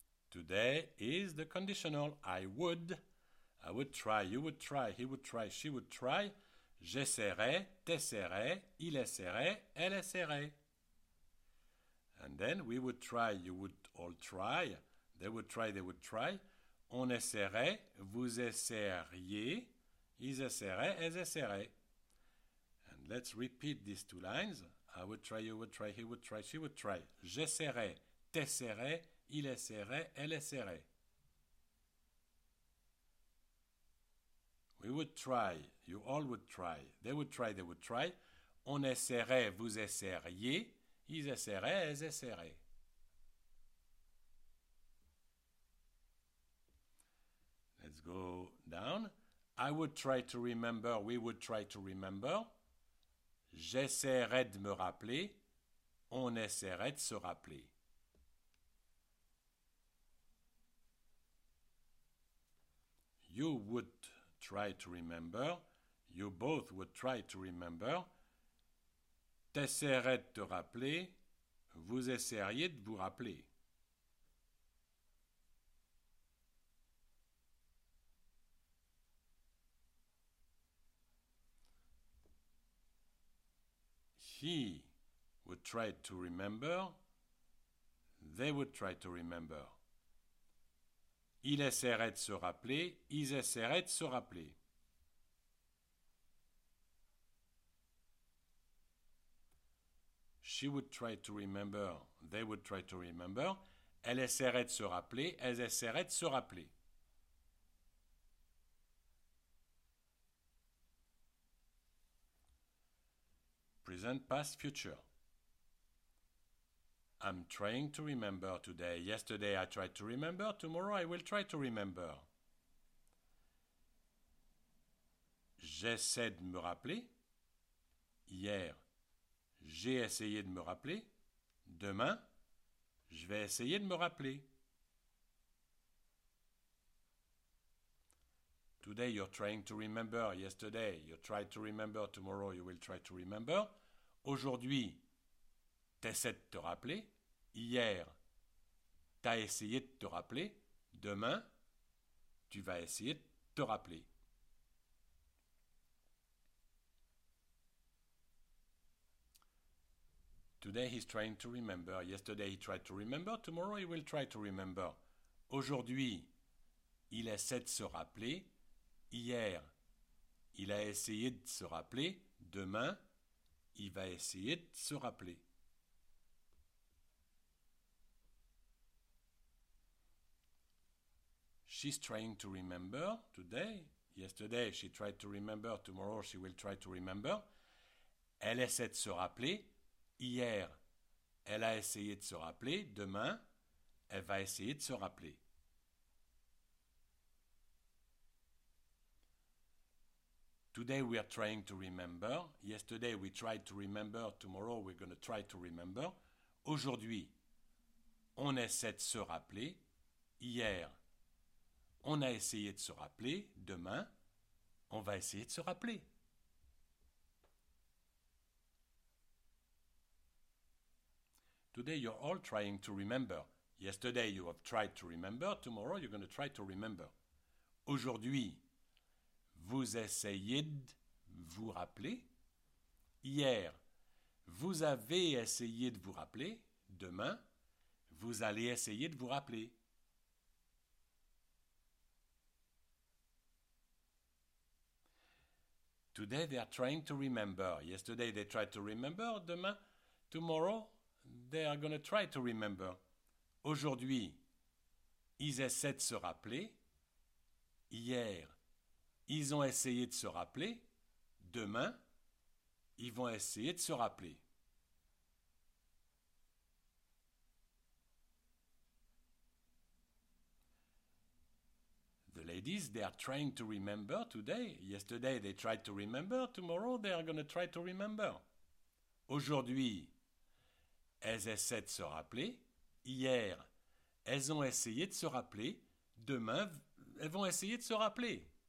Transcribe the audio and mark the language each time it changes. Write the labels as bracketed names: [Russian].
[English] Today is the conditional I would. I would try, you would try, he would try, she would try. [French] J'essaierai, t'essaierai, il essaierait, elle essaierait. [English] And then we would try, you would all try. They would try, they would try. [French] On essaierait, vous essaieriez, ils essaieraient, elles essaieraient. [English] And let's repeat these two lines. I would try, you would try, he would try, she would try. [French] J'essaierai, t'essaierai, il essaierait, elle essaierait. [English] We would try, you all would try. They would try, they would try. [French] On essaierait, vous essaieriez, ils essaieraient, elles essaieraient. [English] Let's go down. I would try to remember, we would try to remember. [French] J'essaierai de me rappeler, on essaierait de se rappeler. [English] You would try to remember, you both would try to remember. [French] T'essaierais de te rappeler, vous essaieriez de vous rappeler. [English] He would try to remember. They would try to remember. [French] Il essaierait de se rappeler. Ils essaieraient de se rappeler. [English] She would try to remember. They would try to remember. [French] Elle essaierait de se rappeler. Elles essaieraient de se rappeler. [English] Present, past, future. I'm trying to remember today. Yesterday I tried to remember. Tomorrow I will try to remember. [French] J'essaie de me rappeler. Hier, j'ai essayé de me rappeler. Demain, je vais essayer de me rappeler. [English] Today you're trying to remember. Yesterday you tried to remember. Tomorrow you will try to remember. [French] Aujourd'hui, t'essaies de te rappeler. Hier, t'as essayé de te rappeler. Demain, tu vas essayer de te rappeler. [English] Today he's trying to remember. Yesterday he tried to remember. Tomorrow he will try to remember. [French] Aujourd'hui, il essaie de se rappeler. Hier, il a essayé de se rappeler. Demain, il va essayer de se rappeler. [English] She's trying to remember today. Yesterday, she tried to remember. Tomorrow, she will try to remember. [French] Elle essaie de se rappeler. Hier, elle a essayé de se rappeler. Demain, elle va essayer de se rappeler. [English] Today we are trying to remember. Yesterday we tried to remember. Tomorrow we're going to try to remember. [French] Aujourd'hui, on essaie de se rappeler. Hier, on a essayé de se rappeler. Demain, on va essayer de se rappeler. [English] Today you're all trying to remember. Yesterday you have tried to remember. Tomorrow you're going to try to remember. [French] Aujourd'hui, vous essayez de vous rappeler. Hier, vous avez essayé de vous rappeler. Demain, vous allez essayer de vous rappeler. [English] Today they are trying to remember. Yesterday they tried to remember. Demain, tomorrow, they are going to try to remember. [French] Aujourd'hui, ils essaient de se rappeler. Hier, ils ont essayé de se rappeler. Demain, ils vont essayer de se rappeler. [English] The ladies, they are trying to remember today. Yesterday, they tried to remember. Tomorrow, they are going to try to remember. [French] Aujourd'hui, elles essaient de se rappeler. Hier, elles ont essayé de se rappeler. Demain, elles vont essayer de se rappeler.